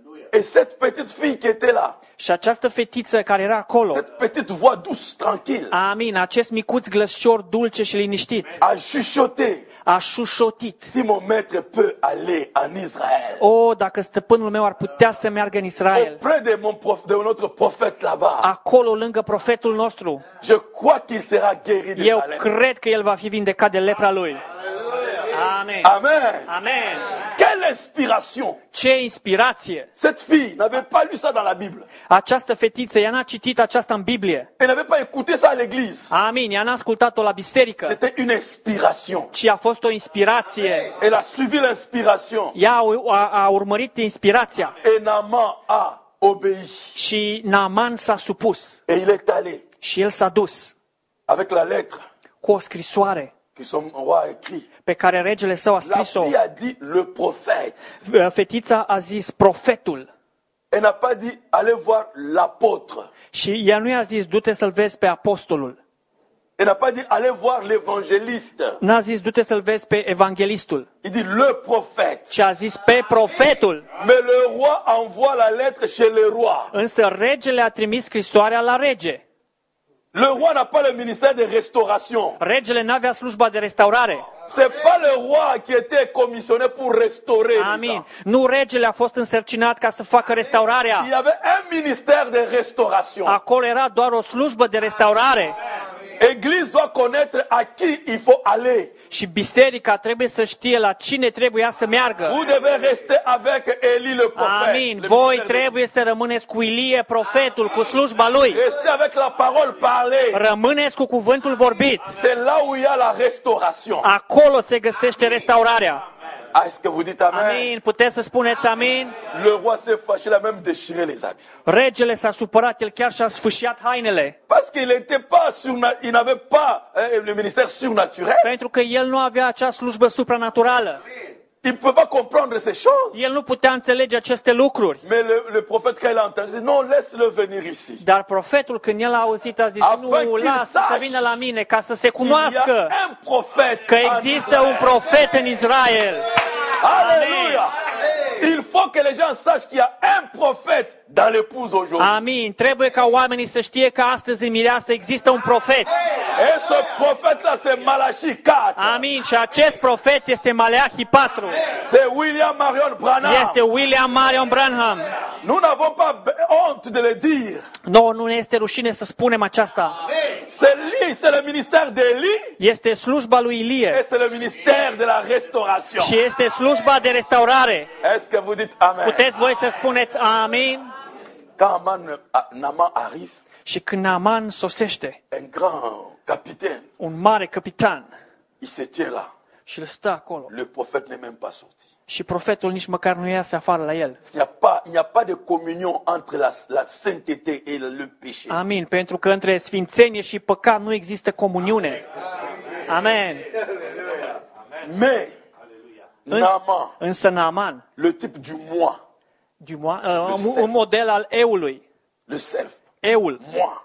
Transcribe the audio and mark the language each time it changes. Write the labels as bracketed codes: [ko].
[fr] Et cette petite fille qui était là. [ro] Și această fetiță care era acolo. [fr] Cette petite voix douce, tranquille. [ro] Amin, acest micuț glăscior dulce și liniștit. [fr] A șușoté. [ro] A șușotit. [fr] Si mon maître peut aller en Israël. [ro] Oh, dacă stăpânul meu ar putea să meargă în Israel. [fr] Auprès de mon prof, de un autre prophète là-bas. [ro] Acolo lângă profetul nostru. [fr] Je crois qu'il sera guéri de sa lèpre. [ro] Eu cred că el va fi vindecat de lepra lui. Amen. Amen. Amen. [fr] Quelle inspiration! [ro] Ce inspirație! [fr] Cette fille n'avait pas lu ça dans la Bible. [ro] Această fetiță, ea n-a citit aceasta în Biblie. [fr] Elle n'avait pas écouté ça à l'église. [ro] Amin, ea n-a ascultat-o la biserică. [fr] C'était une inspiration. [ro] Ci a fost o inspirație. [fr] Amen. Elle a suivi l'inspiration. [ro] Ea a urmărit inspirația. [fr] Et Naaman a obéi. [ro] Și Naaman s-a supus. [fr] Et il est allé. [ro] Și el s-a dus. [fr] Avec la lettre. [ro] Cu o scrisoare. [fr] Qui son roi a écrit. [ro] Pe care regele său a scris-o. [fr] La fille a dit le prophète. [ro] Fetița a zis profetul. [fr] Elle n'a pas dit allez voir l'apôtre. [ro] Și ea nu i-a zis du-te să-l vezi pe apostolul. [fr] Elle n'a pas dit allez voir l'évangéliste. [ro] N-a zis du-te să-l vezi pe evanghelistul. [fr] Il dit le prophète. [ro] Și a zis pe profetul. [fr] Mais le roi envoie la lettre chez le roi. [ro] Însă regele a trimis scrisoarea la rege. [fr] Le roi n'a pas le ministère de restauration. [ro] Regele n-avea slujba de restaurare. [fr] C'est pas le roi qui était commissionné pour restaurer. [ro] Amin. Nu regele a fost însărcinat ca să facă restaurarea. [fr] Il y avait un ministère de restauration. [ro] Acolo era doar o slujbă de restaurare. [fr] Église doit connaître à qui il faut aller. [ro] Și biserica trebuie să știe la cine trebuie să meargă. [fr] Vous devez rester avec Élie le prophète. [ro] Amin. Voi trebuie să rămâneți cu Ilie profetul, cu slujba lui. [fr] Restez avec la parole parlée. [ro] Rămâneți cu cuvântul vorbit. [fr] C'est là où il y a la restauration. [ro] Acolo se găsește restaurarea. [fr] Est-ce que vous dites amen? [ro] Amin. Puteți să spuneți amin? [fr] Le roi s'est fâché, il a même déchiré les habits. [ro] Regele s-a supărat, el chiar și-a sfâșiat hainele. [fr] Parce qu'il n'était pas surnaturel, il n'avait pas le ministère surnaturel. [ro] Pentru că el nu avea acea slujbă supranaturală. [fr] Il ne peut pas comprendre ces choses. [ro] El nu putea înțelege aceste lucruri. [fr] Mais le prophète quand il a entendu, dit, non, laisse-le venir ici. [ro] Dar profetul când el a auzit a zis, nu, lasă să vină la mine ca să se cunoască. [fr] Il y a un prophète. [ro] Că există un profet în Israel. Alléluia. [fr] Il faut que les gens sachent qu'il y a un prophète dans l'épouse aujourd'hui. [ro] Amin, trebuie ca oamenii să știe că astăzi în mireasă există un profet. [fr] Et ce prophète-là, c'est Malachi 4. [ro] Amin, și acest profet este Maleahi 4. [fr] C'est William Marion Branham. [ro] Este William Marion Branham. [fr] Nous n'avons pas honte de le dire. [ro] No, nu ne este rușine să spunem aceasta. [fr] C'est lui, c'est le ministère d'Elie. [ro] Este slujba lui Ilie. [fr] Et c'est le ministère de la restauration. [ro] Și este slujba de restaurare. [fr] Est-ce que vous dites amen? [ro] Puteți voi să spuneți amin? [fr] Quand Naaman arrive. [ro] Și când Naaman sosește. [fr] Un grand capitaine. [ro] Un mare capitan. [fr] Il se tient là. [ro] Și îl stă acolo. [fr] Le prophète n'est même pas sorti. [ro] Și profetul nici măcar nu iese afară la el. [fr] Il n'y a pas de communion entre la sainteté et le péché. [ro] Amin, pentru că între sfințenie și păcat nu există comuniune. Amen. [fr] Amen. Amen. Naaman, le type du moi, [ro] un model al eului, [fr] le self, [ro] eul, [fr] moi,